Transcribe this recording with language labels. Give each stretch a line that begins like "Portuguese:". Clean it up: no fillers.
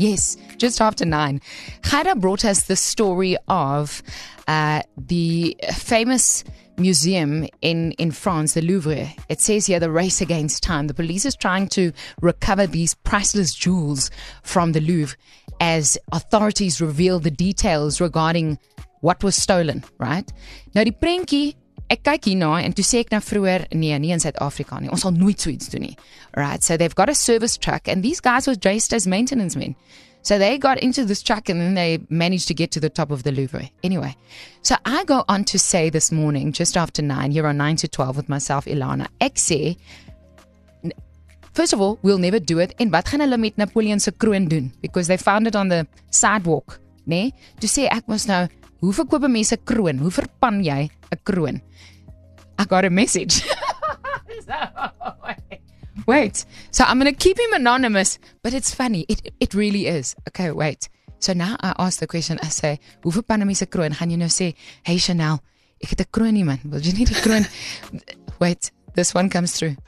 English: Yes, just after 9. Gaira brought us the story of the famous museum in France, the Louvre. It says here, the race against time. The police is trying to recover these priceless jewels from the Louvre as authorities reveal the details regarding what was stolen, right?
Afrikaans: Nou, die prentjie, ek kyk hierna en toe sê ek nou vroeger, nee, nie in Suid-Afrika nie, ons sal nooit so iets doen nie.
English: Right, so they've got a service truck and these guys were dressed as maintenance men. So they got into this truck and then they managed to get to the top of the Louvre. Anyway, so I go on to say this morning, just after 9, here on 9 to 12 with myself, Ilana,
Afrikaans: ek sê,
English: first of all, we'll never do it.
Afrikaans: En wat gaan hulle met Napoleon se kroon doen?
English: Because they found it on the sidewalk,
Afrikaans: nee? To sê ek was nou, Hoe verkoop 'n mens 'n kroon? Hoe verpan jy 'n kroon?
English: I got a message. Wait, so I'm going to keep him anonymous, but it's funny. It really is. Okay, wait. So now I ask the question, I say,
Afrikaans: hoe verpan 'n mens 'n kroon? Gaan jy nou sê, hey Chanel, ek het 'n kroon nie, man. Wil jy nie die kroon?
English: Wait, this one comes through.